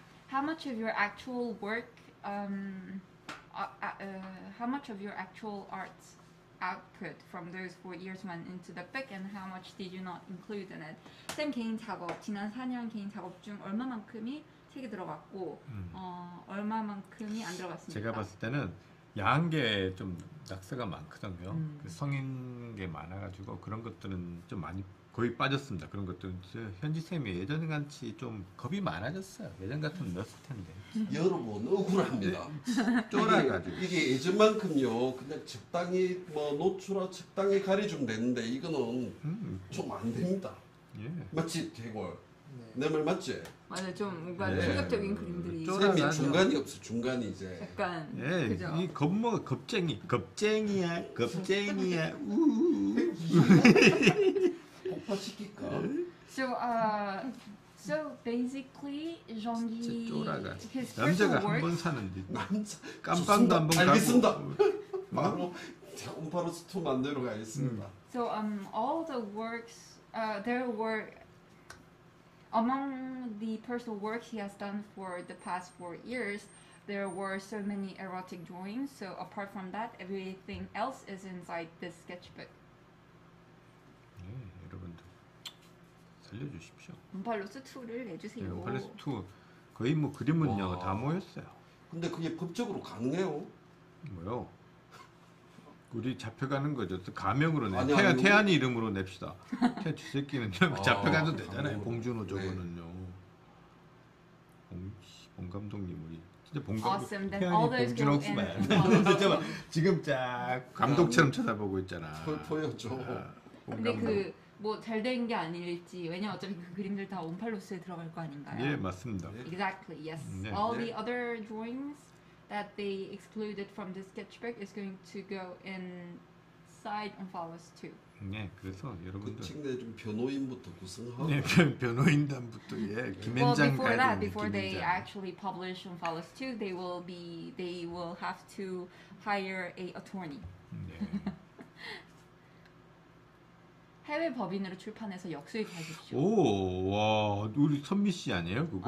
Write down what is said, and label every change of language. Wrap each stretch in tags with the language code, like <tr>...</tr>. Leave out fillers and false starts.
<en>How much of your actual work, how much of your actual art output from those 4 years went into the book, and how much did you not include in it?</en> <ko>쌤 개인 작업 지난 4년 개인 작업 중 얼마만큼이 책에 들어갔고 얼마만큼이 안 들어갔습니까? 제가 봤을 때는 야한 게 좀 낙서가 많거든요. 그 성인 게 많아가지고 그런 것들은 좀 많이 거의 빠졌습니다. 그런 것들은 현지 쌤이 예전 같이 좀 겁이 많아졌어요. 예전 같으면 넣었을 텐데. 여러분 억울합니다. 쫄아가지고 이게 예전만큼요. 그냥 적당히 뭐 노출하 적당히 가려주면 되는데 이거는 좀 안 됩니다. 예. 맞지 대걸. 네. 내 말 맞지? 맞아요. 좀 뭔가 충격적인 그림들이 쌤이 중간이 없어. 중간이 이제 약간 이 겁먹 겁쟁이 겁쟁이야 겁쟁이야 우우</ko> <en>So, so basically, Jeongi, his personal work.</en> <ko>남자가 한 번 사는 남자. 깜빵도 한 번 가고. 알겠습니다. 바로 곰팡이 스토 만들어 가겠습니다.</ko> <en>So, all the works, there were among the personal work he has done for the past 4 years. There were so many erotic drawings. So, apart from that, everything else is inside this sketchbook.</en> <ko>알려주십시오. 언팔로스 2를 내주세요. 언팔로스 2 거의 뭐 그림은요 와. 다 모였어요. 근데 그게 법적으로 가능해요? 뭐요? 우리 잡혀가는 거죠. 가명으로 내. 태안이 이름으로 냅시다. 태 쥐새끼는 잡혀가도 되잖아요. 봉준호 저거는요. 봉 감독님 우리 진짜 봉 감독.</ko> <en>Awesome. 태안이</en> <ko>봉준호 스마일. 지금 쫙 감독처럼 쳐다보고 있잖아. 보여줘. 근데 그 뭐 잘 된 게 아닐지 왜냐 어차피 그 그림들 다 온팔로스에 들어갈 거 아닌가요? 예 맞습니다.</ko> <en>Exactly yes. 네. All 네. the other drawings that they excluded from the sketchbook is going to go inside onfollows too.</en> <ko>네 그래서 여러분들 그 책내 좀 변호인부터 구성하고 네 변호인단부터 예 김앤장 가야 되는 김앤장.</ko> <en>Before they actually publish onfollows too, they will have to hire a attorney.</en> <ko>네. 해외 법인으로 출판해서 역수입하십시오. 오, 와, 우리 선미 씨 아니에요, 그거?</ko>